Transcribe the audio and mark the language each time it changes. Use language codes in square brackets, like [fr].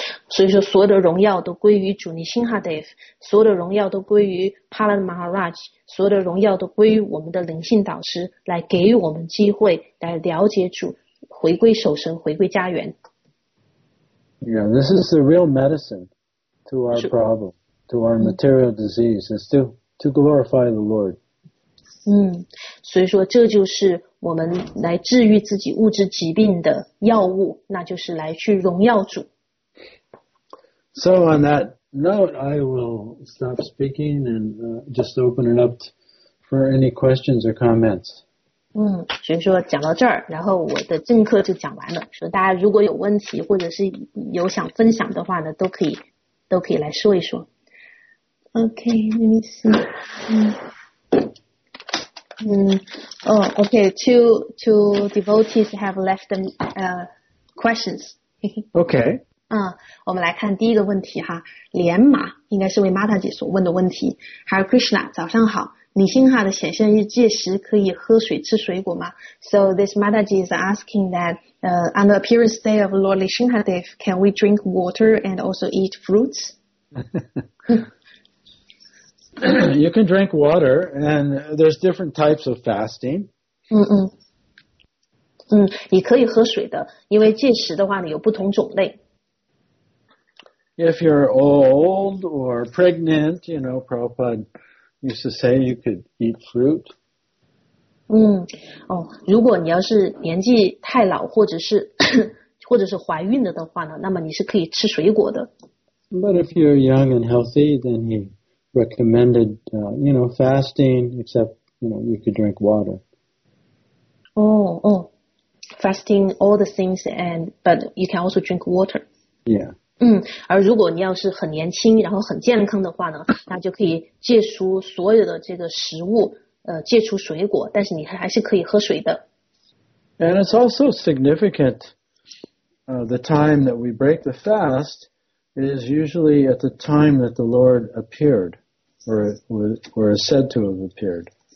[zh] 所以说所有的荣耀都归于主尼辛哈德夫，所有的荣耀都归于帕拉马哈拉吉，所有的荣耀都归于我们的灵性导师，来给予我们机会来了解主，回归守神，回归家园。 [en] Yeah, this is the real medicine to our problem, to our material disease, is to glorify the Lord. [zh] 所以说这就是我们来治愈自己物质疾病的药物，那就是来去荣耀主。 [en] So on that note, I will stop speaking and just open it up for any questions or comments. [zh] 所以说讲到这儿，然后我的正课就讲完了，所以大家如果有问题或者是有想分享的话呢，都可以来说一说。 [en] OK, let me see. OK, two devotees have left them questions. OK, [zh] 我们来看第一个问题哈，莲马应该是为 Mata 姐所问的问题。 Hare Krishna, 早上好，李辛哈的显现日届时可以喝水吃水果吗？ [en] So this Mataji is asking that on the appearance day of Lord Lishinghadev, can we drink water and also eat fruits? You can drink water, and there's different types of fasting. [zh] 你可以喝水的，因为届时的话呢有不同种类。 [en] If you're old or pregnant, you know, Prabhupada used to say you could eat fruit. [zh] 哦，如果你要是年纪太老，或者是怀孕了的话呢，那么你是可以吃水果的。 [en] But if you're young and healthy, then he recommended, you know, fasting, except, you know, you could drink water. Oh, fasting, all the things, but you can also drink water. Yeah. [zh] 而如果你要是很年轻，然后很健康的话呢，那就可以戒除所有的这个食物，戒除水果，但是你还是可以喝水的。 [en] And it's also significant, the time that we break the fast,is usually at the time that the Lord appeared, or is said to have appeared.